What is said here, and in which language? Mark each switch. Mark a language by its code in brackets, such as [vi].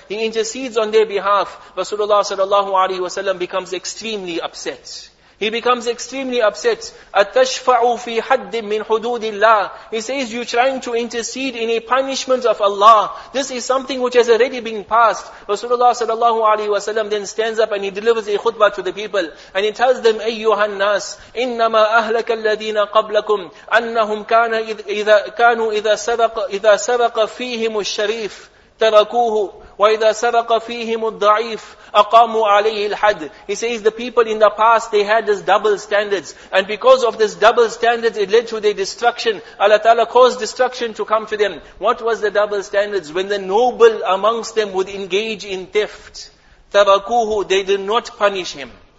[en] He intercedes on their behalf. Rasulullah sallallahu alaihi wasallam becomes extremely upset. He becomes extremely upset. [ar] أَتَّشْفَعُ فِي حَدٍّ مِّنْ حُدُودِ اللَّهِ. [en] He says, you're trying to intercede in a punishment of Allah. This is something which has already been passed. Rasulullah sallallahu alaihi wasallam then stands up and he delivers a khutbah to the people. And he tells them, [ar] أَيُّهَا النَّاسِ إِنَّمَا أَهْلَكَ الَّذِينَ قَبْلَكُمْ أَنَّهُمْ كَانُوا إِذَا سَرَقَ فِيهِمُ الشَّرِيفِ تَرَكُوهُ وَإِذَا سَرَقَ فِيهِمُ الضَّعِيفِ أَقَامُوا عَلَيْهِ الْحَدِ. [en] He says, the people in the past, they had this double standards. And because of this double standards, it led to their destruction. Allah Ta'ala caused destruction to come to them. What was the double standards? When the noble amongst them would engage in theft, [ar] تَرَكُوهُ, [en] they did not punish him.